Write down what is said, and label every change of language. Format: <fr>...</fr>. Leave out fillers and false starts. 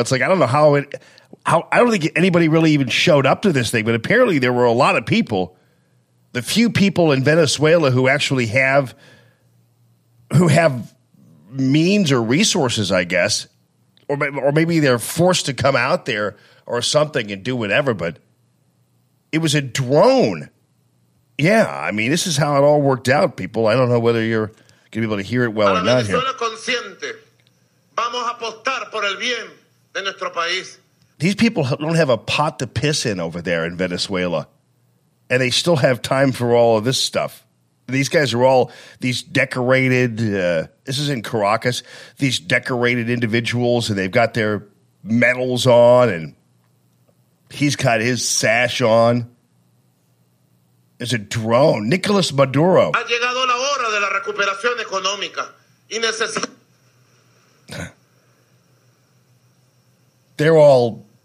<en>It's like, I don't know I don't think anybody really even showed up to this thing, but apparently there were a lot of people, the few people in Venezuela who actually have means or resources, I guess, or maybe they're forced to come out there or something and do whatever, but it was a drone. Yeah, I mean, this is how it all worked out, people. I don't know whether you're going to be able to hear it well or not here.</en> <es>Consciente. Vamos a apostar por el bien de nuestro país.</es> <en>These people don't have a pot to piss in over there in Venezuela. And they still have time for all of this stuff. These guys are all these decorated, this is in Caracas, these decorated individuals, and they've got their medals on, and he's got his sash on. There's a drone, Nicolas Maduro.</en> <es>Ha llegado la hora de la recuperación económica y</es> <en>they're all...</en>